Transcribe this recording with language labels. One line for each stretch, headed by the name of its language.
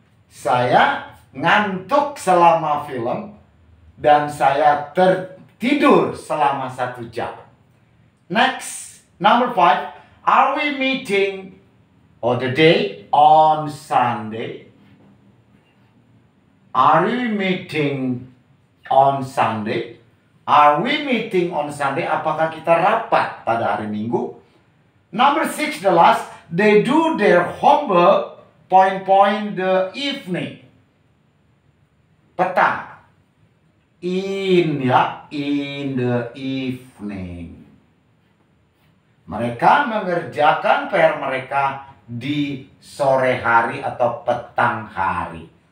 Indonesian: Saya ngantuk selama film dan saya tertidur selama 1 jam.
English: Next, number five. Are we meeting on the day on Sunday? Are we meeting on Sunday? Are we meeting on Sunday?
Indonesian: Apakah kita rapat pada hari Minggu?
English: Number six, the last, they do their homework point-point the evening. Petang. In, ya, in the evening.
Indonesian: Mereka mengerjakan PR mereka di sore hari atau petang hari.